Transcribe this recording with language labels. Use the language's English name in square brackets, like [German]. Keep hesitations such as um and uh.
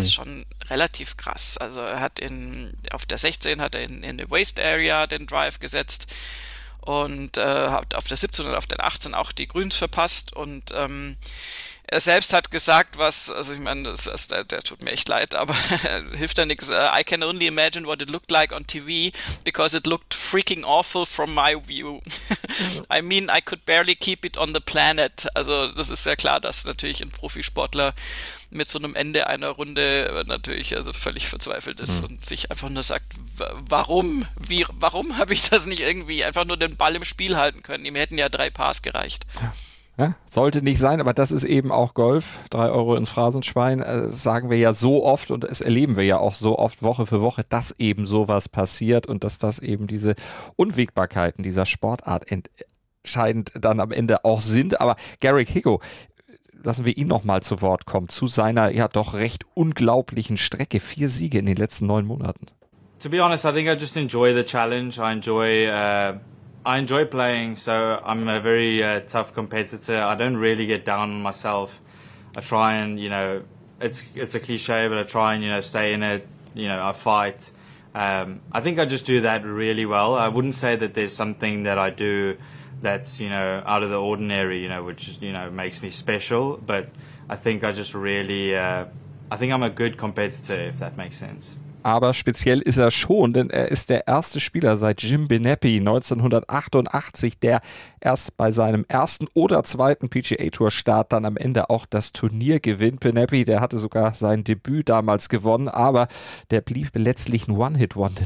[German] ist schon relativ krass. Also er hat in, auf der 16 hat er in, in der Waste Area den Drive gesetzt und äh, hat auf der 17 und auf der 18 auch die Grüns verpasst und ähm, er selbst hat gesagt, was, also ich meine, das, das der, tut mir echt leid, aber hilft ja nichts. [English] Uh, I can only imagine what it looked like on TV, because it looked freaking awful from my view. I mean, I could barely keep it on the planet. [German] Also das ist sehr klar, dass natürlich ein Profisportler mit so einem Ende einer Runde natürlich also völlig verzweifelt ist mhm. und sich einfach nur sagt, warum, wie, warum habe ich das nicht irgendwie einfach nur den Ball im Spiel halten können? Ihm hätten ja drei Pass gereicht. Ja. Ja, sollte nicht sein, aber das ist eben auch Golf. Drei Euro ins Phrasenschwein äh, sagen wir ja so oft und es erleben wir ja auch so oft Woche für Woche, dass eben sowas passiert und dass das eben diese Unwägbarkeiten dieser Sportart entscheidend dann am Ende auch sind. Aber Gary Higo, lassen wir ihn nochmal zu Wort kommen, zu seiner ja doch recht unglaublichen Strecke. Vier Siege in den letzten neun Monaten. [English] To be honest, I think I just enjoy the challenge. I enjoy... Uh I enjoy playing, so I'm a very uh, tough competitor. I don't really get down on myself. I try and you know, it's it's a cliche, but I try and you know stay in it. You know, I fight. Um, I think I just do that really well. I wouldn't say that there's something that I do that's you know out of the ordinary. You know, which you know makes me special. But I think I just really, uh, I think I'm a good competitor, if that makes sense. [German] aber speziell ist er schon, denn er ist der erste Spieler seit Jim Benepi 1988, der erst bei seinem ersten oder zweiten PGA-Tour-Start dann am Ende auch das Turnier gewinnt. Benepi, der hatte sogar sein Debüt damals gewonnen, aber der blieb letztlich ein One-Hit-Wonder.